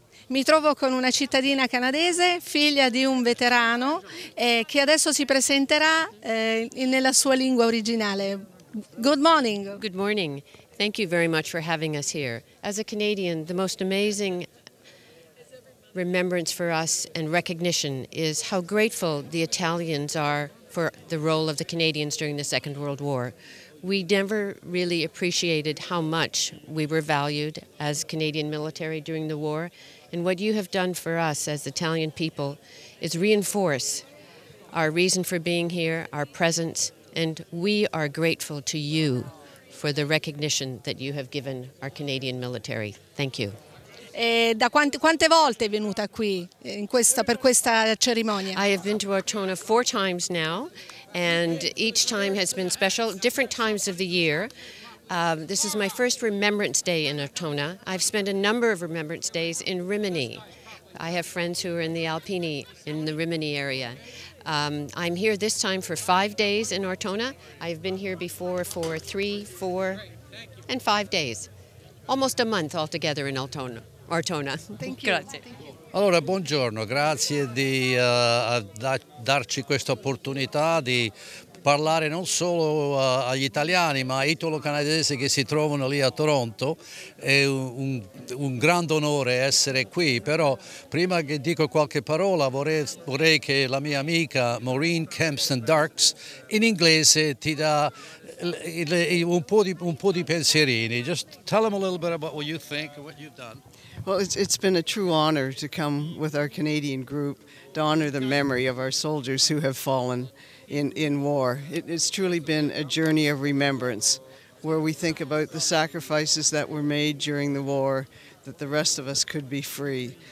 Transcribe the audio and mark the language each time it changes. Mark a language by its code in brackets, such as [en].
[it] Mi trovo con una cittadina canadese, figlia di un veterano, che adesso si presenterà nella sua lingua originale. [en] Good morning. Good morning. Thank you very much for having us here. As a Canadian, the most amazing remembrance for us and recognition is how grateful the Italians are for the role of the Canadians during the Second World War. We never really appreciated how much we were valued as Canadian military during the war. And what you have done for us as Italian people is reinforce our reason for being here, our presence, and we are grateful to you for the recognition that you have given our Canadian military. Thank you. [it] E da quante volte è venuta qui in questa, per questa cerimonia? [en] I have been to Ortona 4 times now, and each time has been special, different times of the year. This is my first Remembrance Day in Ortona. I've spent a number of Remembrance Days in Rimini. I have friends who are in the Alpini, in the Rimini area. I'm here this time for 5 days in Ortona. I've been here before for 3, 4, and 5 days. Almost a month altogether in Ortona. Thank you. [it] Grazie. Allora, buongiorno. Grazie di darci questa opportunità di parlare non solo agli italiani ma ai italo-canadesi che si trovano lì a Toronto. È un grande onore essere qui, però prima che dico qualche parola vorrei che la mia amica Maureen Kempston Darkes in inglese ti dà un po' di pensierini. [en] Just tell them a little bit about what you think and what you've done. Well, it's been a true honor to come with our Canadian group to honor the memory of our soldiers who have fallen in war. It's truly been a journey of remembrance where we think about the sacrifices that were made during the war that the rest of us could be free.